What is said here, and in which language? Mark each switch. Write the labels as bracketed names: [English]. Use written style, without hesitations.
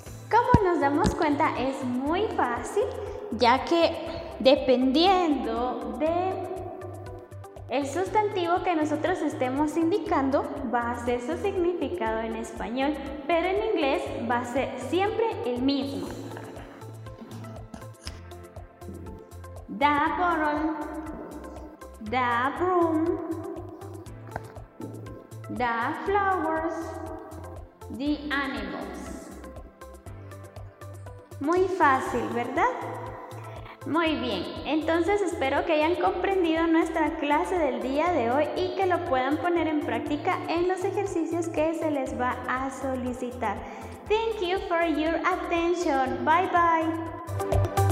[Spanish] Como nos damos cuenta, es muy fácil, ya que dependiendo de el sustantivo que nosotros estemos indicando va a ser su significado en español, pero en inglés va a ser siempre el mismo. [English] The bottle, the broom, the flowers, the animals. [Spanish] Muy fácil, ¿verdad? Muy bien, entonces espero que hayan comprendido nuestra clase del día de hoy y que lo puedan poner en práctica en los ejercicios que se les va a solicitar. [English] Thank you for your attention. Bye bye.